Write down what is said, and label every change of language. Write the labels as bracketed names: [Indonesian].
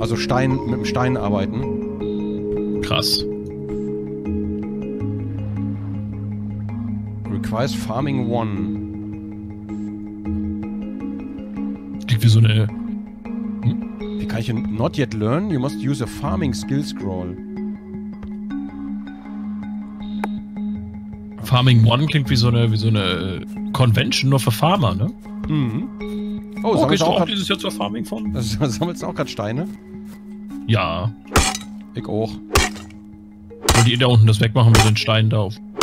[German] Also Stein, mit dem Stein arbeiten. Krass. [English] Requires Farming 1. [German] Klingt wie so eine... Wie kann ich ihn [English] not yet learn? You must use a farming skill scroll. [German] Farming 1 klingt wie so eine Convention nur für Farmer, ne? Mhm. Oh, okay, sammelst du auch grad, dieses Jahr zur Farming von? Sammelst du auch gerade Steine? Ja. Ich auch. Wollt ihr da unten das wegmachen mit den Steinen da auf?